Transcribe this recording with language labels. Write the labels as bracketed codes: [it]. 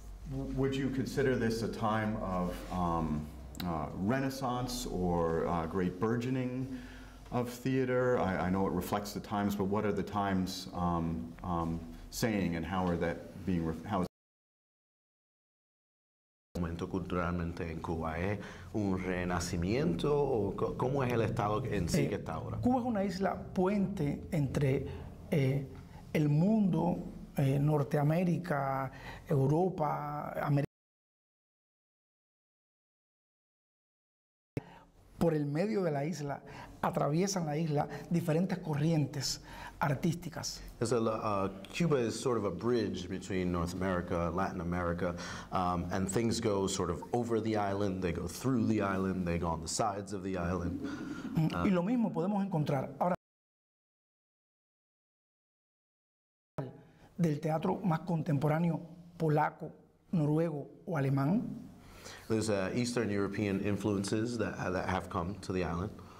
[en] Would you consider this a time of renaissance or great burgeoning of theater? I know it reflects the times, but what are the times saying, and how are that being how is [es] culturalmente en Cuba es un renacimiento o cómo es el estado en sí que está ahora? Cuba es una isla puente entre el mundo, Norteamérica, Europa, América, por el medio de la isla, atraviesan la isla diferentes corrientes artísticas. [en] Cuba is sort of a bridge between North America, Latin America, and things go sort of over the island, they go through the island, they go on the sides of the island. [es] Y lo mismo podemos encontrar ahora del teatro más contemporáneo polaco, noruego o alemán. [en] There's Eastern European influences that have come to the island.